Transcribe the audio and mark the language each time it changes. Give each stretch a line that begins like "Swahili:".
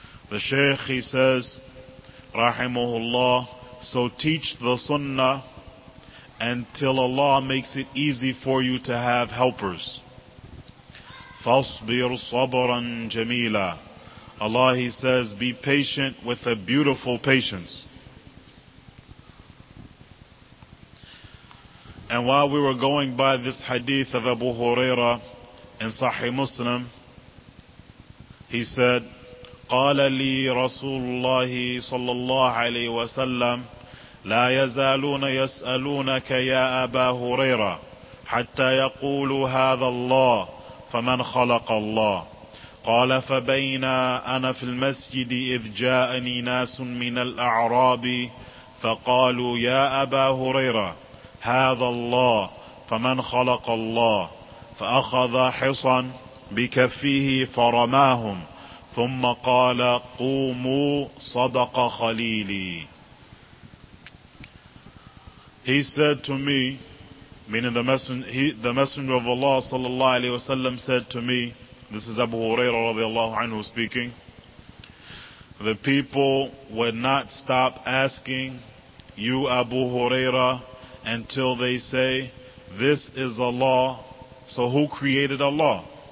English: The Shaykh, he says, Rahimahullah, so teach the Sunnah until Allah makes it easy for you to have helpers.
Arabic: Fasbir sabran jameela.
English: Allah, he says, be patient with a beautiful patience. And while we were going by this hadith of Abu Hurairah in Sahih Muslim, he said,
Arabic: قال لي رسول الله صلى الله عليه وسلم لا يزالون يسألونك يا أبا هريرة حتى يقولوا هذا الله فمن خلق الله قال فبين أنا في المسجد إذ جاءني ناس من الأعراب فقالوا يا أبا هريرة هذا الله فمن خلق الله فأخذ حصا بكفيه فرماهم ثم قال قوموا صدق خليلي.
English: He said to me, meaning the Messenger of Allah sallallahu alayhi wa sallam said to me, this is Abu Hurairah radiallahu anhu speaking, the people would not stop asking you, Abu Hurairah, until they say, this is Allah, so who created Allah?